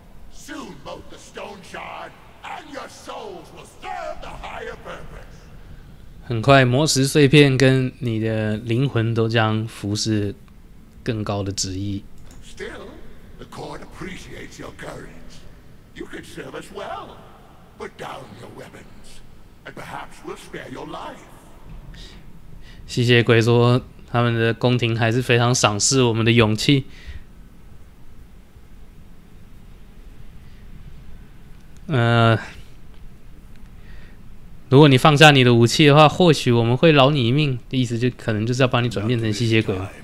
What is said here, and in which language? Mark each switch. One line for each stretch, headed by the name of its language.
English: Soon, both the stone shard and your souls will serve the higher purpose.
Chinese: 很快魔石碎片跟你的灵魂都将服侍更高的旨意。
English: Still, the court appreciates your courage. You could serve us well. Put down your weapons, and perhaps we'll spare your life.
Chinese: 吸血鬼说，他们的宫廷还是非常赏识我们的勇气。如果你放下你的武器的话，或许我们会饶你一命。意思就可能就是要把你转变成吸血鬼。